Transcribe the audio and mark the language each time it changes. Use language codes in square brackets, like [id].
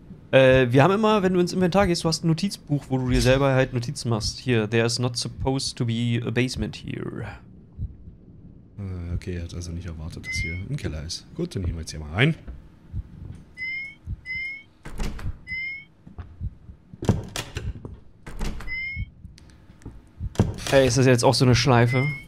[de] Wir haben immer, wenn du ins Inventar gehst, du hast ein Notizbuch, wo du dir selber halt Notizen machst. [en] Hier, there is not supposed to be a basement here. [de] Okay, er hat also nicht erwartet, dass hier ein Keller ist. Gut, dann gehen wir jetzt hier mal rein. Ey, ist das jetzt auch so eine Schleife?